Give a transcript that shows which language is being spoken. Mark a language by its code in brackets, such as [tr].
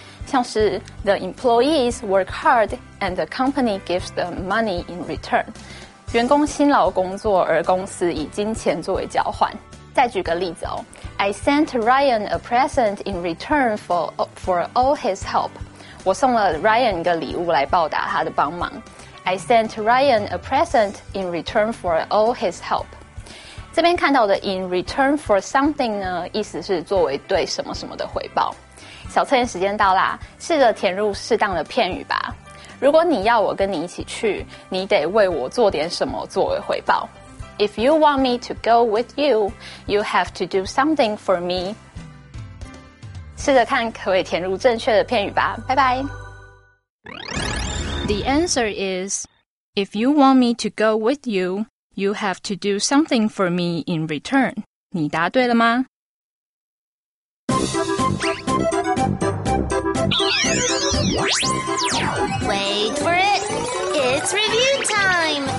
[en] 像是 the employees work hard and the company gives them money in return. [zh] 员工辛劳工作，而公司以金钱作为交换。 [en] 再举个例子哦， I sent Ryan a present in return for all his help. [zh] 我送了 Ryan 一个礼物来报答他的帮忙。 I sent Ryan a present in return for all his help. 这边看到的 in return for something 呢，意思是作为对什么什么的回报。小测验时间到啦，试着填入适当的片语吧。如果你要我跟你一起去，你得为我做点什么作为回报。 [en] If you want me to go with you, you have to do something for me. [zh] 试着看可以填入正确的片语吧，拜拜。 [en] The answer is, if you want me to go with you, you have to do something for me in return. [zh] 你答对了吗？ [en] Wait for it! It's review time!